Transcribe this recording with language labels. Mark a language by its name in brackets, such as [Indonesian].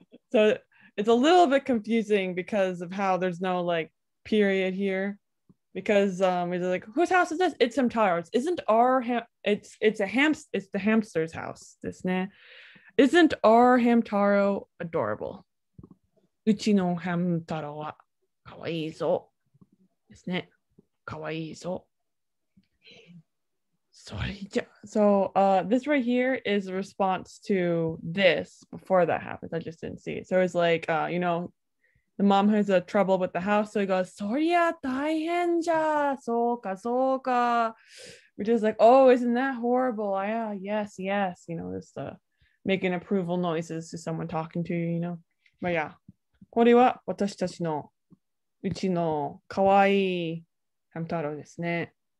[English] So it's a little bit confusing because of how there's no like period here. Because it's like, whose house is this? It's Hamtaro's. Isn't our it's the hamster's house, isn't it? Isn't our Hamtaro adorable? [Japanese] うちのハムタロはかわいいぞですね。かわいいぞ。それじゃ。 [English] So, this right here is a response to this before that happens. I just didn't see it. So it's like, you know, the mom has a trouble with the house. So he goes, そりゃ大変じゃ。そうかそうか。 Which is like, oh, isn't that horrible? Yeah, yes, yes. You know, just making approval noises to someone talking to you, you know. But yeah. [Japanese] これは私たちのうちのかわいいハムタロですね。